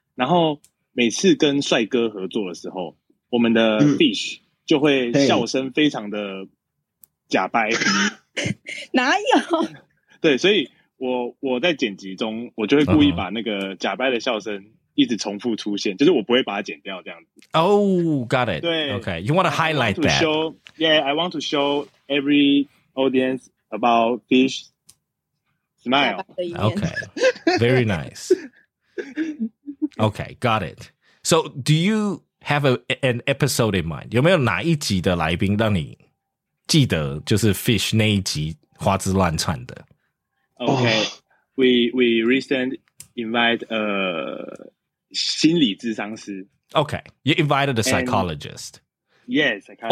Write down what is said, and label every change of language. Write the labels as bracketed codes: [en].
[zh] 然后每次跟帅哥合作的时候，我们的 fish 就会笑声非常的假掰。哪有？对，所以我在剪辑中，我就会故意把那个假掰的笑声一直重复出现， uh-huh. 就是我不会把它剪掉这样子。 [en] Oh, got it. [zh] 对 [en] ，OK. You want to highlight that? I want to show every audience about Fish smile. OK, very nice. OK, got it. So, do you have an episode in mind? [zh] 有没有哪一集的来宾让你？记得就是 Fish 那一集花枝乱窜的。 [en] OK，we recently invite a [zh] 心理諮商师。 [en] OK，you invited a psychologist. And, yes, psychologist.